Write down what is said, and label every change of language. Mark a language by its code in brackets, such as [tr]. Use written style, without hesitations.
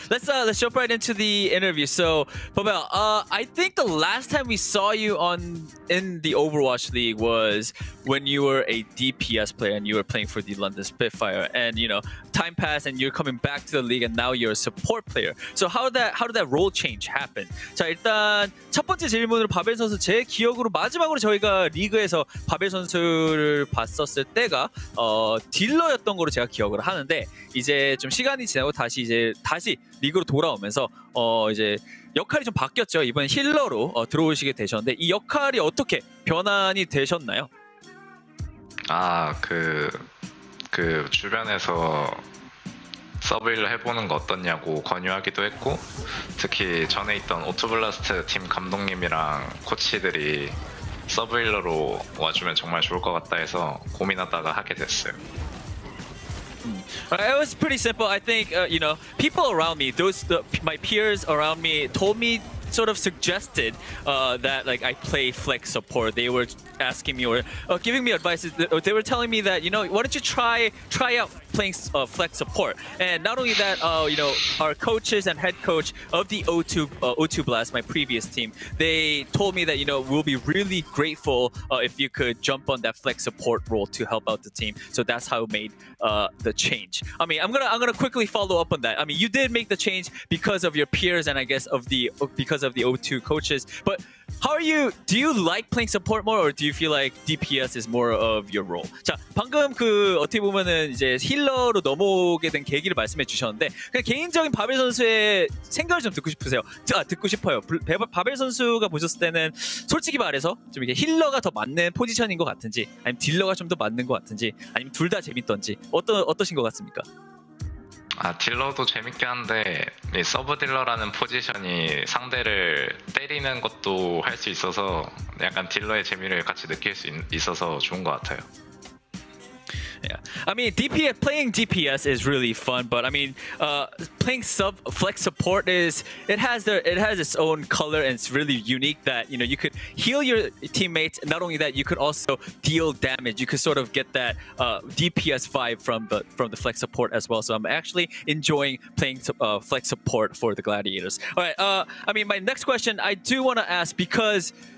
[en] Let's jump right into the interview. So, Babel, I think the last time we saw you in the Overwatch League was when you were a DPS player and you were playing for the London Spitfire. And you know, time passed, and you're coming back to the league, and now you're a support player. So how did that role change happen? [ko] 자 일단 첫 번째 질문으로 바벨 선수 제 기억으로 마지막으로 저희가 리그에서 바벨 선수를 봤었을 때가 딜러였던 거로 제가 기억을 하는데 이제 좀 시간이 지나고 다시 리그로 돌아오면서 이제 역할이 좀 바뀌었죠. 이번 힐러로 들어오시게 되셨는데 이 역할이 어떻게 변환이 되셨나요? 아, 그 주변에서 서브힐러 해보는 거 어떻냐고 권유하기도 했고 특히 전에 있던 오토블라스트 팀 감독님이랑 코치들이 서브힐러로 와주면 정말 좋을 것 같다 해서 고민하다가 하게 됐어요. [en] It was pretty simple. I think, you know, people around me, my peers around me told me, sort of suggested that like I play flex support. They were asking me or giving me advice. They were telling me that, you know, why don't you try out playing flex support? And not only that, you know, our coaches and head coach of the O2 Blast, my previous team, they told me that, you know, we'll be really grateful if you could jump on that flex support role to help out the team. So that's how I made the change. I mean, I'm gonna quickly follow up on that. I mean, you did make the change because of your peers and I guess because of the O2 coaches. But how are you? Do you like playing support more, or do you feel like DPS is more of your role? [ko] 자, 방금 그 어떻게 보면은 이제 힐러로 넘어오게 된 계기를 말씀해 주셨는데 그냥 개인적인 바벨 선수의 생각을 좀 듣고 싶으세요. 아, 듣고 싶어요. 바벨 선수가 보셨을 때는 솔직히 말해서 좀 이게 힐러가 더 맞는 포지션인 것 같은지, 아니면 딜러가 좀 더 맞는 것 같은지, 아니면 둘 다 재밌던지 어떠신 것 같습니까? 아, 딜러도 재밌긴 한데 이 서브 딜러라는 포지션이 상대를 때리는 것도 할 수 있어서 약간 딜러의 재미를 같이 느낄 수 있어서 좋은 것 같아요. [en] Yeah. I mean, DPS, playing DPS is really fun, but I mean, playing sub flex support is, it has its own color, and it's really unique that, you know, you could heal your teammates. Not only that, you could also deal damage. You could sort of get that DPS vibe from the flex support as well. So I'm actually enjoying playing flex support for the Gladiators. All right, I mean, my next question I do want to ask, because